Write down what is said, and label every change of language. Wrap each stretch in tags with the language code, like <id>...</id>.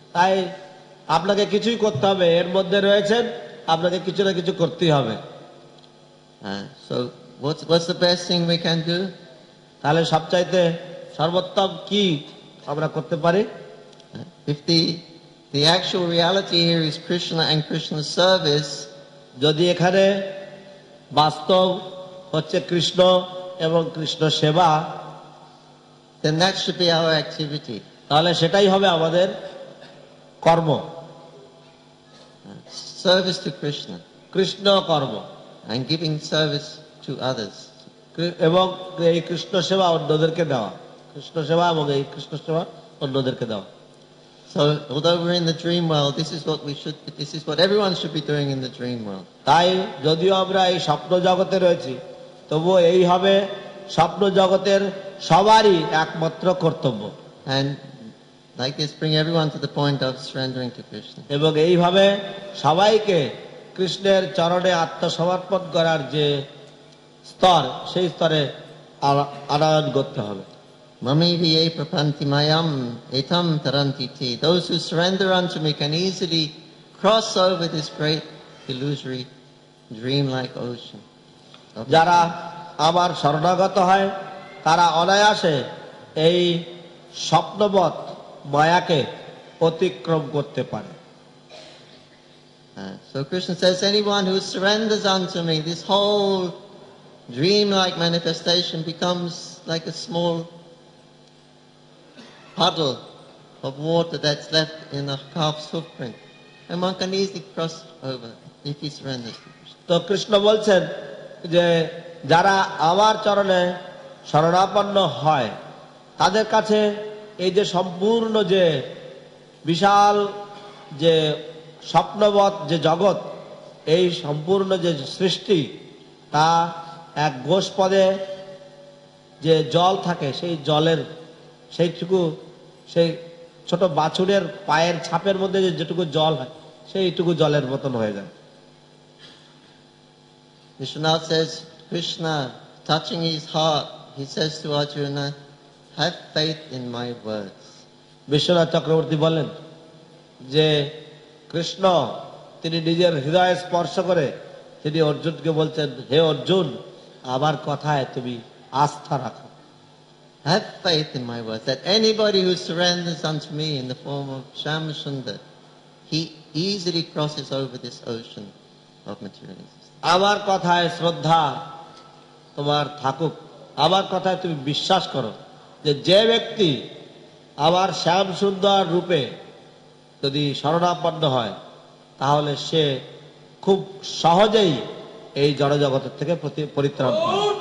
<bn>তাই আপনাকে কিছুই করতে হবে এর মধ্যে রয়েছেন আপনাকে কিছু না কিছু করতেই হবে</bn> <en>So what's the best thing we can do?</en> <bn>তাহলে সবচাইতে সর্বোত্তম কি আমরা করতে পারি?</bn> <en>If the actual reality here is Krishna and Krishna's service,</en> <bn>যদি এখানে বাস্তব হচ্ছে কৃষ্ণ এবং কৃষ্ণ সেবা,</bn> <en>then that should be our activity.</en> <bn>তাহলে সেটাই হবে আমাদের কর্ম.</bn> <en>Service to Krishna.</en> <bn>কৃষ্ণ কর্ম.</bn> <en>And giving service to others.</en> <bn>এবং এই কৃষ্ণ সেবা অন্যদেরকে দেওয়া কৃষ্ণ সেবা এবং এই কৃষ্ণ সেবা অন্যদেরকে দেওয়া</bn> <en>So although we're in the dream world, this is what everyone should be doing in the dream world.</en> <bn>তাই যদিও আমরা এই স্বপ্ন জগতে রয়েছি তবুও এই হবে স্বপ্ন জগতের সবারই একমাত্র কর্তব্য</bn> <en>And like this bring everyone to the point of surrendering to Krishna.</en> <bn>এবং এইভাবে সবাইকে কৃষ্ণের চরণে আত্মসমর্পণ করার যে স্তর সেই স্তরে আরোহণ করতে হবে</bn> <sa>মমি হি এই প্রপন্তি মায়াম এতম তরন্তি তে</sa> <en>those who surrender unto me can easily cross over this great illusory dream like ocean</en> <bn>যারা আবার শরণাগত হয় তারা অনায়াসে এই স্বপ্নবৎ মায়াকে অতিক্রম করতে পারে</bn> <en>So Krishna says, anyone who surrenders unto me, this whole dream-like manifestation becomes like a small puddle of water that's left in a calf's footprint. And one can easily cross over if he surrenders to Krishna.</en> <bn>So Krishna bolchen je jara amar charone sharanapanno hoy, tader kache ei je sampurno je bishal je স্বপ্নবৎ যে জগৎ এই সম্পূর্ণ যে সৃষ্টি তা এক গোষ্পদে যে জল থাকে সেই জলের সেইটুকু সেই ছোট বাছুরের পায়ের ছাপের মধ্যে যেটুকু জল হয় সেইটুকু জলের মতন হয়ে যায়</bn> <en>Vishwanath says Krishna touching his heart he says to Arjuna have faith in my words</en> <bn>Vishwanath Chakraborty বলেন যে কৃষ্ণ তিনি নিজের হৃদয় স্পর্শ করে তিনি অর্জুনকে বলছেন হে অর্জুন আমার কথায় তুমি আস্থা রাখো</bn> <en>Have faith in my words that anybody who surrenders unto me in the form of Shyamasundar, he easily crosses over this ocean of materialism.</en> <bn>আমার কথায় শ্রদ্ধা তোমার থাকুক আমার কথায় তুমি বিশ্বাস করো যে ব্যক্তি আমার শ্যামসুন্দর রূপে যদি শরণাপন্ন হয় তাহলে সে খুব সহজেই এই জড়জগত থেকে পরিত্রাণ পায়</bn>